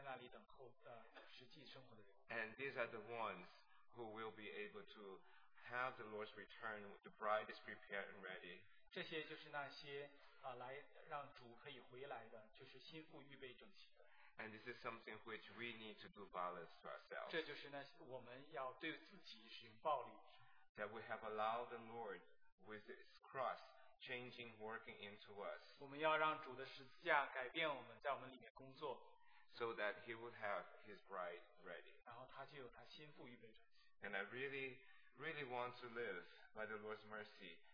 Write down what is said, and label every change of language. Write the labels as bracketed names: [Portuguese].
[Chinese] 他其实在那等候那些有天国实际生命的人，今天在那里等候实际生活的人。 [English] And these are the ones who will be able to have the Lord's return, the bride is prepared and ready. [Chinese] 这些就是那些来让主可以回来的，就是心腹预备整齐的。 [English] And this is something which we need to do violence to ourselves. [Chinese] 这就是那些我们要对自己使用暴力。 [English] That we have allowed the Lord with His cross changing, working into us. [Chinese] 我们要让主的十字架改变我们，在我们里面工作。 [English] So that He would have His bride ready. [Chinese] 然后他就有他心腹预备整齐。 [English] And I really, really want to live by the Lord's mercy.